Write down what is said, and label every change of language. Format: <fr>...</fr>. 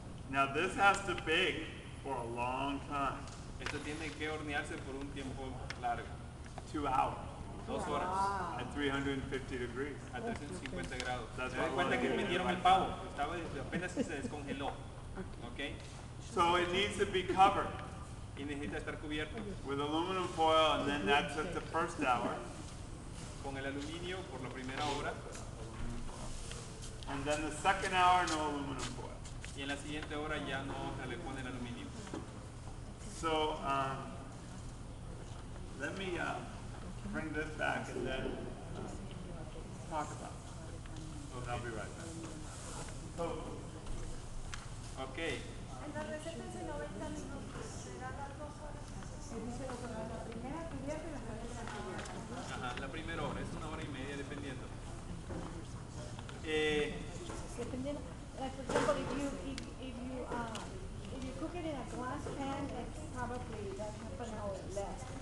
<en>Now this has to bake for a long time.</en> <es>Esto tiene que hornearse por un tiempo largo.</es> <en>2 hours.</en> <es>2 horas.</es> <en>Wow. At 350 degrees.</en> <es>A 350 grados.</es> <en>That's what I wanted.</en> <es>Que vendieron el pavo. Estaba apenas se descongeló. Okay.</es> <en>So it needs to be covered.</en> <es>Y necesita estar cubierto.</es> <en>With aluminum foil, and then that's at the first hour.</en> <es>Con el aluminio por la primera hora.</es> <en>And then the second hour, no aluminum foil.</en> <es>Y en la siguiente hora ya no se le pone el aluminio.</es> <en>So, let me bring this back and then talk about it. Okay. I'll be right back. So, okay.</en> <es>La primera hora es una hora y media dependiendo.</es> <en>For example, if you cook it in a glass pan, it's probably that half an hour less.</en>